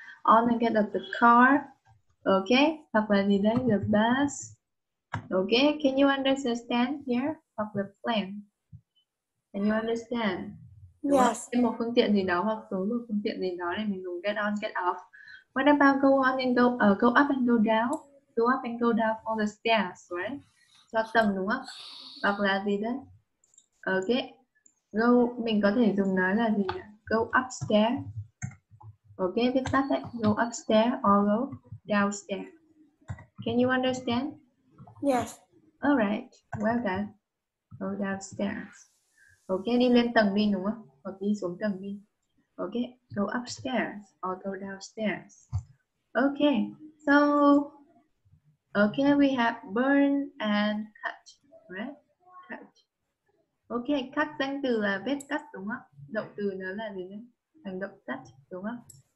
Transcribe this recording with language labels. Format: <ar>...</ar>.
<en>On and get up the car. Okay.</en> <vi>Hoặc là gì đấy?</vi> <en>The bus. Okay. Can you understand here? Hoặc the plane. Can you understand? Yes.</en> <vi>Thêm một phương tiện gì đó hoặc xuống một phương tiện gì đó để mình dùng get on, get off.</vi> <en>What about go on and go, go up and go down? Go up and go down all the stairs, right?</en> <vi>Cho tầng đúng không? Hoặc là gì đấy? Okay. Go, mình có thể dùng nói là gì nhỉ?</vi> <en>Go upstairs. Ok,</en> <vi>viết tắt đấy.</vi> <en>Go upstairs or go downstairs. Can you understand? Yes. Alright, well done. Go downstairs.</en> <vi>Ok, đi lên tầng đi đúng không? Hoặc đi xuống tầng đi.</vi> <en>Ok, go upstairs or go downstairs. Ok, so ok, we have burn and cut, right?</en> <vi>Ok, cut danh từ là vết cắt đúng không? Động từ nó là gì nhỉ? Hành động cắt đúng không?</vi>